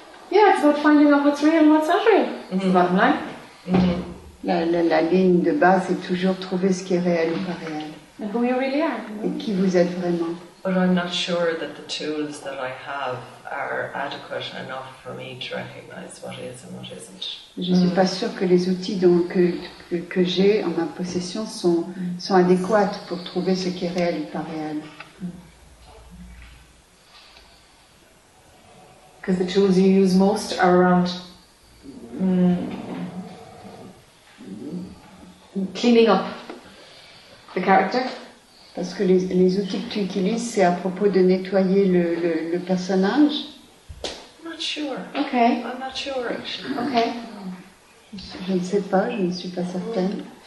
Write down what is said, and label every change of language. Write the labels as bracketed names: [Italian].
[English] It's about finding out what's real and what's not real. Mm-hmm. It's the bottom line. Mm-hmm. [French] La ligne de base est toujours trouver ce qui est réel ou pas réel. [English] And who you really are. Mm-hmm. [French] Et qui vous êtes vraiment. [English] But I'm not sure that the tools that I have are adequate enough for me to recognize what is and what isn't. [French] Je ne suis pas sûre que les outils que j'ai en ma possession sont adéquats pour trouver ce qui est réel ou pas réel. [English] Because the tools you use most are around cleaning up the character. [French] Parce que les outils que tu utilises, c'est à propos de nettoyer le personnage. [English] I'm not sure. Okay. I'm not sure. Okay. [French] Je ne sais pas, je ne suis pas certaine.